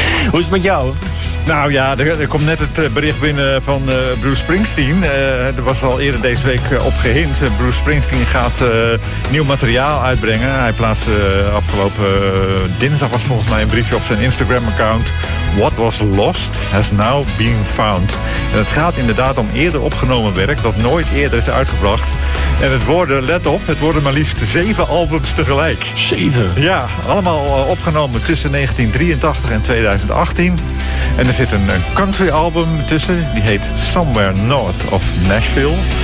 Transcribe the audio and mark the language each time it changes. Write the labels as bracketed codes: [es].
[nl] Hoe is het met jou? Nou ja, er komt net het bericht binnen van Bruce Springsteen. Er was al eerder deze week op gehint. Bruce Springsteen gaat nieuw materiaal uitbrengen. Hij plaatste afgelopen dinsdag was volgens mij een briefje op zijn Instagram-account. [en] What was lost has now been found. [nl] En het gaat inderdaad om eerder opgenomen werk dat nooit eerder is uitgebracht. En het worden, let op, het worden maar liefst 7 albums tegelijk. 7? Ja, allemaal opgenomen tussen 1983 en 2018. En er zit een country album tussen, die heet Somewhere North of Nashville.